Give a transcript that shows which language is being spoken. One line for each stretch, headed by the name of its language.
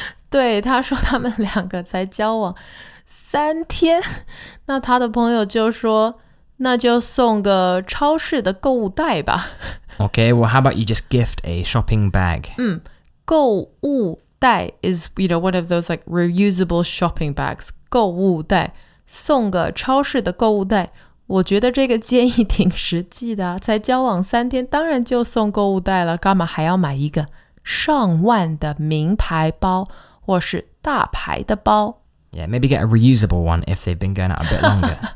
Chinese: 对，他说他们两个才交往三天，那他的朋友就说，那就送个超市的购物袋吧。
English: Okay, well, how about you just gift a shopping bag? 购物袋 is, you know, one of those like reusable shopping bags.
Chinese: 购物袋，送个超市的购物袋，我觉得这个建议挺实际的啊，才交往三天，当然就送购物袋了，干嘛还要买一个上万的名牌包，或是大牌的包。
English: Yeah, maybe get a reusable one if they've been going out a bit longer.